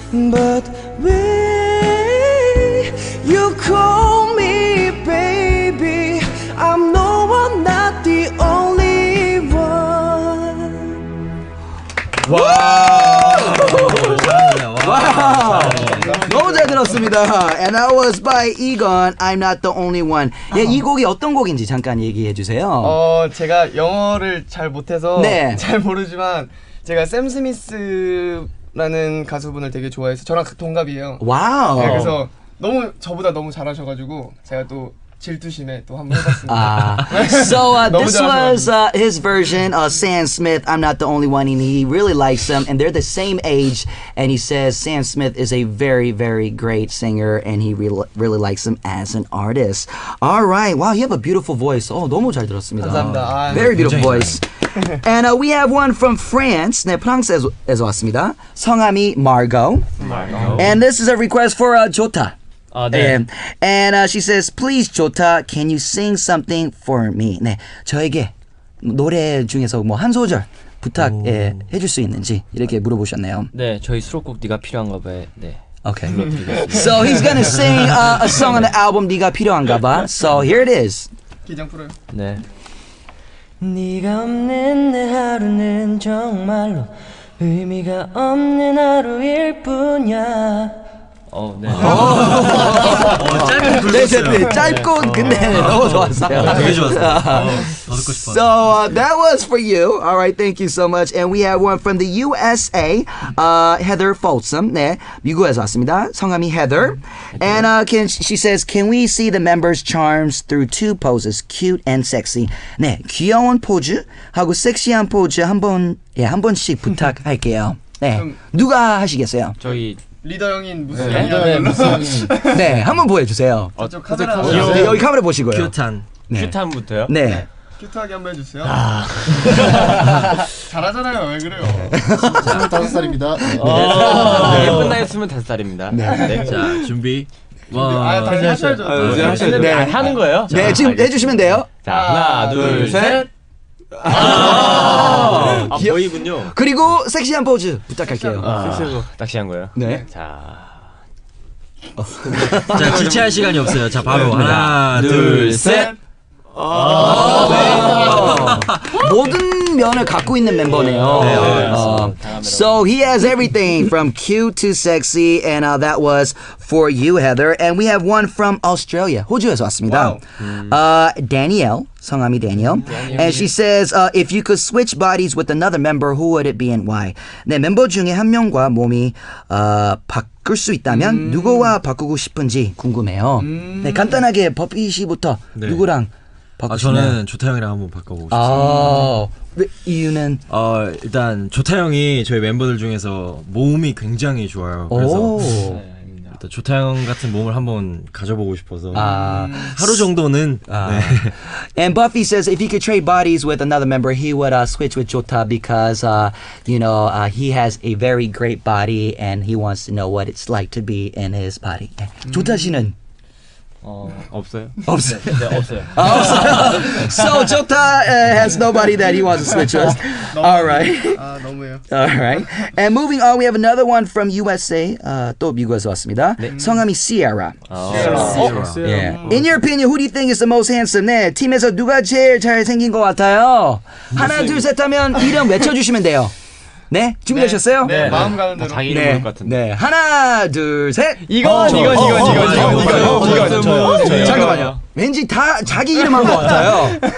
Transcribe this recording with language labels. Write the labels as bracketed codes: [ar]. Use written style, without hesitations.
[en] But when you call me baby, I'm no one, not the only one. Wow. [ko] 너무 잘 들었습니다. [en] And I was by Egon, I'm not the only one. [ko] 예, 이 곡이 어떤 곡인지 잠깐 얘기해 주세요. 제가 영어를 잘 못해서 네. 잘 모르지만 제가 샘 스미스라는 가수분을 되게 좋아해서 저랑 동갑이에요. 와우. 네, 그래서 너무 저보다 너무 잘하셔가지고 제가 또 질투심에 또 한번 해봤습니다. [en] So this was his version of Sam Smith, I'm Not The Only One, and he really likes them, and they're the same age, and he says Sam Smith is a very, very great singer, and he really likes him as an artist. All right, wow, you have a beautiful voice. [ko] Oh, 너무 잘 들었습니다. 감사합니다. [en] Very beautiful voice. And we have one from France. [ko] 네, 프랑스에서 왔습니다. [en] 성함이 Margo. And this is a request for Jota. And she says, please, Jota, can you sing something for me? [ko] 네, 저에게 노래 중에서 뭐 한 소절 부탁 예, 해줄 수 있는지 이렇게 물어보셨네요. 네, 저희 수록곡 네가 필요한가 봐요. 네. [en] Okay. So he's gonna sing a song on the album 네가 필요한가 봐. So here it is. [ko] 기장 풀어요. 네. 네가 없는 내 하루는 정말로 의미가 없는 하루일 뿐이야. 짧고 근데 너무 좋았어. 되게 좋았어. [en] So that was for you. All right, thank you so much. And we have one from the USA, Heather Folsom. [ko] 네, 미국에서 왔습니다. 성함이 Heather. [en] And she says, can we see the members' charms through two poses, cute and sexy? [ko] 네, 귀여운 포즈 하고 섹시한 포즈 한 번씩 부탁할게요. 네, 누가 하시겠어요? 저희 리더 형인 무슨 네? 형님. 네, 한번 보여주세요. 저 카메라 보세요. 네, 여기 카메라 보시고요. 큐탄. 네. 큐탄부터요? 네. 네. 큐트하게 한번 해주세요. 잘하잖아요. 왜 그래요? 다섯 살입니다. 예쁜 나이였으면 다섯 살입니다. 네. 네. 자, 준비. 와, 다시 하셔야죠. 하셨는데 하는 거예요? 네, 지금 해주시면 돼요. 자, 하나, 둘, 셋. 보이군요. 그리고 섹시한 포즈 부탁할게요. 섹시한 거. 섹시한 거요? 네. 자. 자, 지체할 시간이 없어요. 자, 바로 하나, 둘, 셋. 아~ 모든 면을 갖고 있는 멤버네요. 네, 네, [en] So he has everything from cute to sexy, and that was for you, Heather. And we have one from Australia. [ko] 호주에서 왔습니다. [en] Wow. [ko] Danielle, 성함이 Danielle. [en] And she says, if you could switch bodies with another member, who would it be and why? [ko] 네, 멤버 중에 한 명과 몸이 바꿀 수 있다면 누구와 바꾸고 싶은지 궁금해요. 네, 간단하게 버피 씨부터 네. 누구랑 아, 저는 조태 형이랑 한번 바꿔보고 싶어요. 왜 이유는? 일단 조태 형이 저희 멤버들 중에서 몸이 굉장히 좋아요. 그래서 일단 조태 형 같은 몸을 한번 가져보고 싶어서 하루 정도는. [en] And Buffy says if he could trade bodies with another member, he would switch with Jota because you know he has a very great body and he wants to know what it's like to be in his body. [ko] 조타 씨는? 없어요. 네, 없어요. 없어요. [en] So Jota has nobody that he wants to switch with. All right. [ko] 너무해요. [en] All right. And moving on, we have another one from USA. [ko] 또 미국에서 왔습니다. 성함이 Sierra. [en] Sierra. Yeah. In your opinion, who do you think is the most handsome? [ko] 네, 팀에서 누가 제일 잘생긴 것 같아요? 하나, 둘, 셋 하면 이름 외쳐주시면 돼요. 네? 준비되셨어요? 네, 네. 마음 가는 대로 다 이길 것 같은데 네. 하나 둘 셋 이건 잠깐만요 왠지 다 자기 이름 한 것 같아요